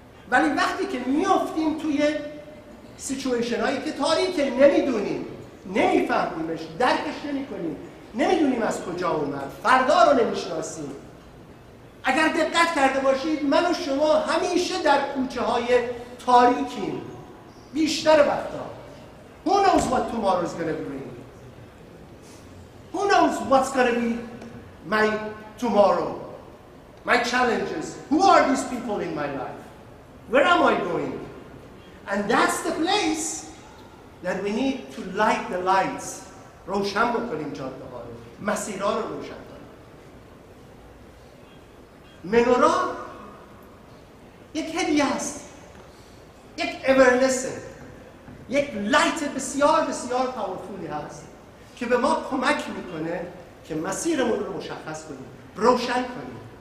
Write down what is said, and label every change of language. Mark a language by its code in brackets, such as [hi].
[fa] ولی وقتی که میافتیم توی سیچویشن هایی که تاریکه، نمیدونیم، نمیفهمیمش، درکش نمی کنیم، نمیدونیم از کجا اومد، فردا رو نمیشناسیم. اگر دقت کرده باشید، من و شما همیشه در کوچه های تاریکیم بیشتر وقتا. [en] Who knows what tomorrow is going to bring? Who knows what's going to be my tomorrow? My challenges? Who are these people in my life? Where am I going? And that's the place that we need to light the lights. [fa] روشن بکنیم جاده ها رو، مسیرها رو روشن کنیم. منورا یک هدیه است، یک اورنس، یک لایت بسیار بسیار پاورفولی هست که به ما کمک میکنه که مسیرمون رو مشخص کنیم، روشن کنیم.